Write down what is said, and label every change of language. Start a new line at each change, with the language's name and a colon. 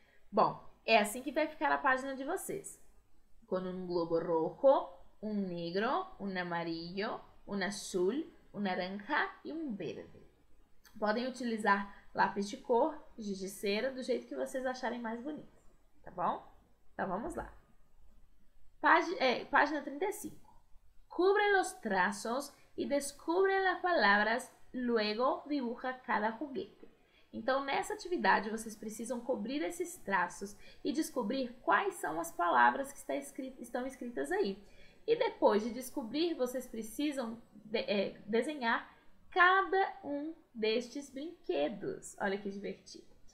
Portuguese: Bom, é assim que vai ficar a página de vocês. Com um globo rojo, um negro, um amarillo, um azul, um naranja e um verde. Podem utilizar lápis de cor, giz de cera, do jeito que vocês acharem mais bonito, tá bom? Então vamos lá. Página 35.
Spanish: Cubre los trazos y descubre las palabras, luego dibuja cada juguete.
Portuguese: Então, nessa atividade, vocês precisam cobrir esses traços e descobrir quais são as palavras que estão escritas aí. E depois de descobrir, vocês precisam desenhar cada um destes brinquedos. Olha que divertido.